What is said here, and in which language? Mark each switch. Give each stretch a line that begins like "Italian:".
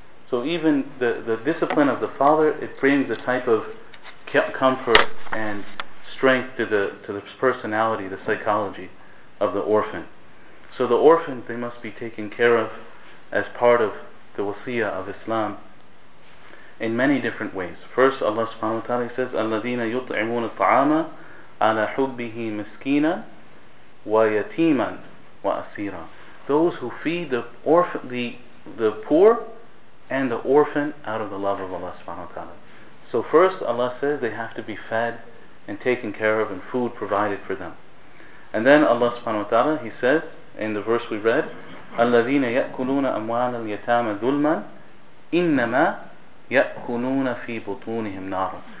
English: So even the discipline of the father, it brings a type of comfort and strength to the personality, the psychology of the orphan. So the orphan, they must be taken care of as part of the wasiyah of Islam in many different ways. First, Allah subhanahu wa ta'ala says,
Arabic: أَلَّذِينَ يُطْعِمُونَ الطَّعَامَ عَلَى حُبِّهِ مِسْكِينًا وَيَتِيمًا وَأَسِيرًا.
English: Those who feed the poor and the orphan out of the love of Allah subhanahu wa ta'ala. So first Allah says they have to be fed and taken care of and food provided for them. And then Allah subhanahu wa ta'ala, He says in the verse we read,
Arabic: الَّذِينَ يَأْكُلُونَ أَمْوَالَ الْيَتَامَ ذُلْمًا إِنَّمَا يَأْكُلُونَ فِي بُطُونِهِمْ نَارًا.